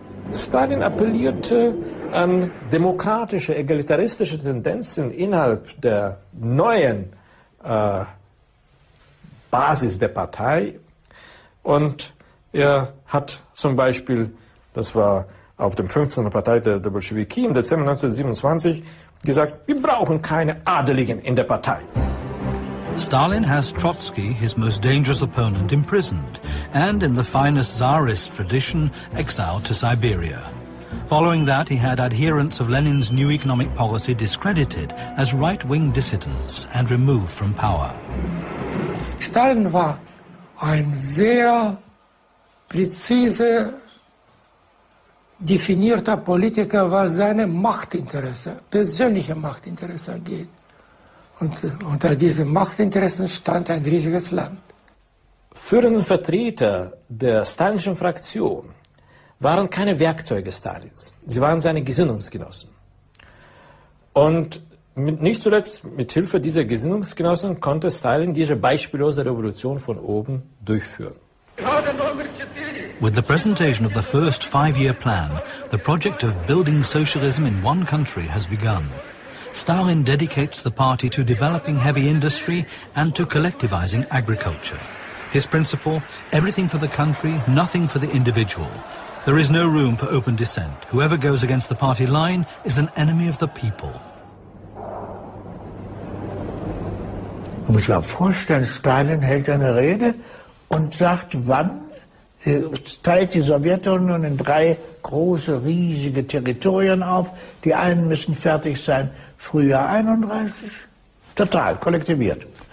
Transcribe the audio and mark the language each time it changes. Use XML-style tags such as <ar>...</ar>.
<de>Stalin appellierte an demokratische, egalitaristische Tendenzen innerhalb der neuen Basis der Partei. Und hat zum Beispiel, das war auf dem 15. Partei der Bolschewiki im Dezember 1927 gesagt, wir brauchen keine Adeligen in der Partei.</de> <en>Stalin has Trotsky, his most dangerous opponent, imprisoned and in the finest Tsarist tradition, exiled to Siberia. Following that, he had adherents of Lenin's new economic policy discredited as right-wing dissidents and removed from power.</en> <de>Stalin war ein sehr präzise definierter Politiker, was seine Machtinteresse, persönliche Machtinteresse angeht. Und unter diesen Machtinteressen stand ein riesiges Land. Führende Vertreter der stalinischen Fraktion waren keine Werkzeuge Stalins. Sie waren seine Gesinnungsgenossen. Und nicht zuletzt mit Hilfe dieser Gesinnungsgenossen konnte Stalin diese beispiellose Revolution von oben durchführen.</de> <en>With the presentation of the first five-year plan, the project of building socialism in one country has begun. Stalin dedicates the party to developing heavy industry and to collectivizing agriculture. His principle, everything for the country, nothing for the individual. There is no room for open dissent. Whoever goes against the party line is an enemy of the people.</en> <de>Man muss sich vorstellen, Stalin hält eine Rede und sagt, wann teilt die Sowjetunion in drei große, riesige Territorien auf. Die einen müssen fertig sein, Frühjahr 31, total kollektiviert.</de>